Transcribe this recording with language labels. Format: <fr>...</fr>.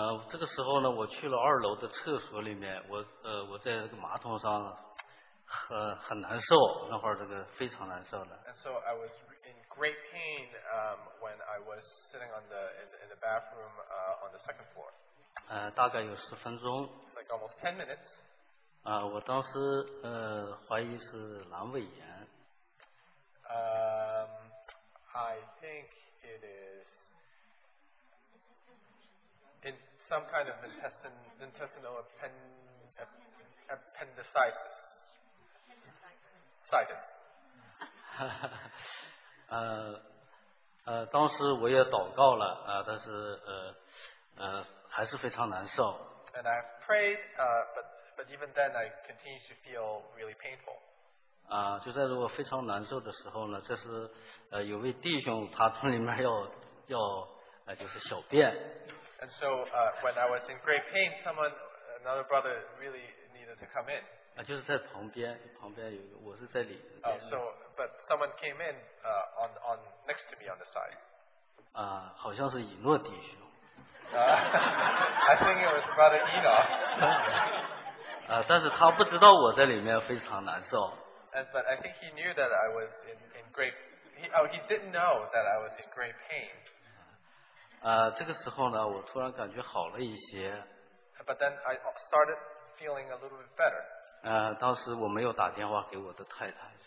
<zh>这个时候呢，我去了二楼的厕所里面，我在那个马桶上很难受，那会儿这个非常难受的。</zh> <en>And so I was in great pain, when I was sitting on the in the bathroom, on the second floor.</en> <zh>大概有十分钟。</zh> <en>It's like almost 10 minutes.</en> <zh>我当时怀疑是阑尾炎。</zh> <en>I think it is in some kind of intestinal appendicitis. Citis.</en> <zh>当时我也祷告了但是还是非常难受。</zh> <en>And I've prayed, but even then I continue to feel really painful.</en> <zh>就在我非常难受的时候呢，这是有位弟兄他从里面要就是小便。</zh> <en>And so, when I was in great pain, another brother really needed to come in.</en> <zh>就是在旁边有我是在里。</zh> <en>But someone came in, on next to me on the side.</en> <zh>好像是以诺弟兄。</zh> <en>I think it was Brother Enoch.</en> <zh>但是他不知道我在里面非常难受。</zh> <en>But I think he knew that I was in great. He didn't know that I was in great pain.</en> <zh>这个时候呢，我突然感觉好了一些。</zh> <en>But then I started feeling a little bit better.</en> <zh>当时我没有打电话给我的太太。</zh>